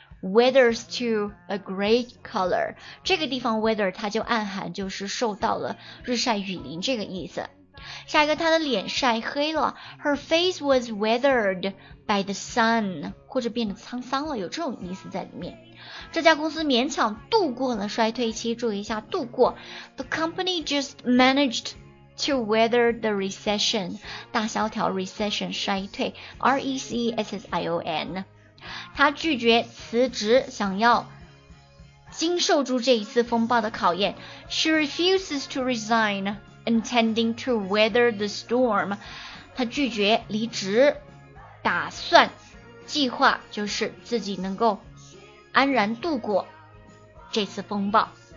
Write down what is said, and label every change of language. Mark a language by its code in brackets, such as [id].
[en] withers to a gray color. [zh] 这个地方 wither 它就暗含就是受到了日晒雨淋这个意思。下一个，她的脸晒黑了。 [en] Her face was withered by the sun. [zh] 或者变得沧桑了，有这种意思在里面。这家公司勉强度过了衰退期，注意一下度过。 [en] The company just managed to weather the recession. [zh] 大萧条 recession 衰退 recession. 她拒绝辞职，想要经受住这一次风暴的考验。 [en] She refuses to resign. Intending to weather the storm, [zh] 他拒绝离职，打算计划就是自己能够安然度过这次风暴。